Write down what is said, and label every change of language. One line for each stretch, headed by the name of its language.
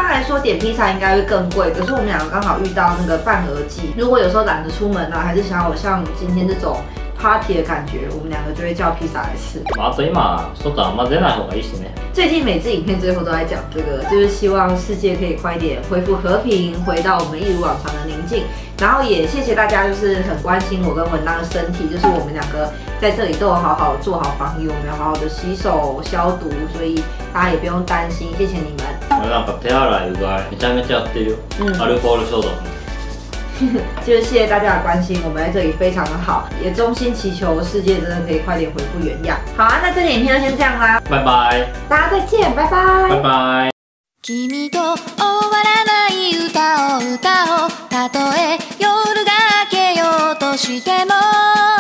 Chinese: 般来说点披萨应该会更贵，可是我们两个刚好遇到那个半额季，如果有时候懒得出门啊，还是想要像今天这种party 的感觉，我们两个就会叫披萨来吃。
Japanese: まあ、あと今外あんま出ない方がいいしね。
Chinese: 最近每次影片最后都在讲这个，就是希望世界可以快点恢复和平，回到我们一如往常的宁静。然后也谢谢大家，就是很关心我跟文章的身体，就是我们两个在这里都有好好做好防疫，我们要好好的洗手消毒，所以大家也不用担心，谢谢你们。
Japanese: 我なんか手洗いうがいめちゃめちゃやってるよ。アルコール消毒。
Chinese: 就是谢谢大家的关心，我们在这里非常的好，也衷心祈求世界真的可以快点恢复原样。好啊，那这影片就先这样啦，拜拜，大家再见，拜拜，拜拜。
Japanese: 君と終わらない歌を歌おう、たとえ夜が明けようとしても。